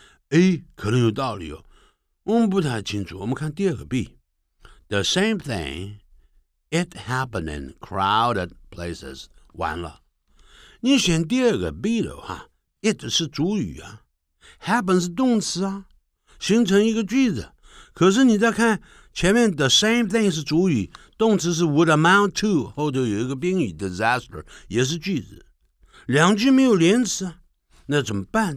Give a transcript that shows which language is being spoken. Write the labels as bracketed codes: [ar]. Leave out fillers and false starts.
[zh] A 可能有道理哦，我们不太清楚。我们看第二个 [en] B the same thingIt happened in crowded places. [zh] 完了，你选第二个 B 的话 ，it 是主语啊 ，happen 是动词啊，形成一个句子。可是你再看前面 ， [en] the same thing [zh] 是主语，动词是 [en] would amount to， [zh] 后头有一个宾语 disaster， 也是句子，两句没有连词，那怎么办？